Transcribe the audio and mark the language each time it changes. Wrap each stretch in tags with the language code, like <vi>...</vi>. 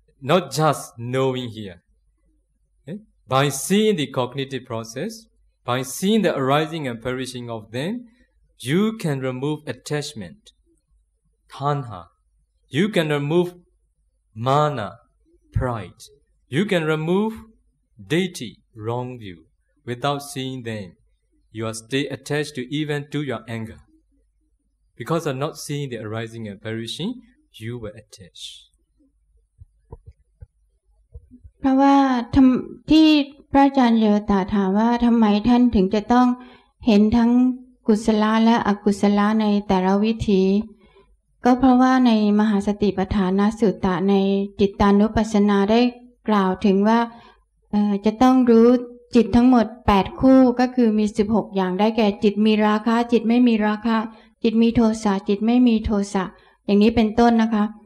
<en>not just knowing here by seeing the cognitive process by seeing the arising and perishing of them you can remove attachment tanha you can remove mana pride you can remove deity wrong view without seeing themYou are still attached to even to your anger. Because of not seeing the arising and perishing, you were attached.</en> <th>เพราะว่าที่พระอาจารย์เยตาถามว่าทำไมท่านถึงจะต้องเห็นทั้งกุศลและอกุศลในแต่ละวิธีก็เพราะว่าในมหาสติปัฏฐานสูตรในจิตตานุปัสสนาได้กล่าวถึงว่าจะต้องรู้จิตทั้งหมด8คู่ก็คือมี16อย่างได้แก่จิตมีราคะจิตไม่มีราคะจิตมีโทสะจิตไม่มีโทสะอย่างนี้เป็นต้นนะคะ</th>